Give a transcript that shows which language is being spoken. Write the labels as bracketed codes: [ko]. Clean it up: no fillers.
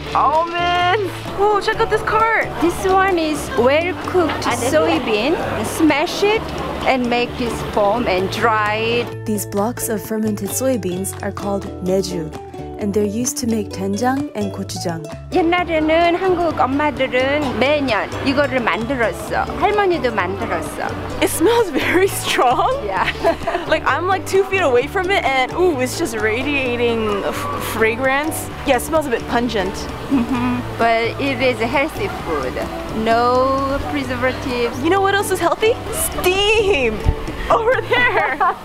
[en] Oh man! Oh, check out this cart! This one is well-cooked soybean. Smash it and make this foam and dry it. These blocks of fermented soybeans are called Meju, and they're used to make 된장 and gochujang. [ko] 옛날에는 한국 엄마들은 매년 이거를 만들었어. 할머니도 만들었어. [en] It smells very strong. Yeah. Like I'm like 2 feet away from it and ooh, it's just radiating fragrance. Yeah, it smells a bit pungent. But it is a healthy food. No preservatives. You know what else is healthy? Steam! Over there!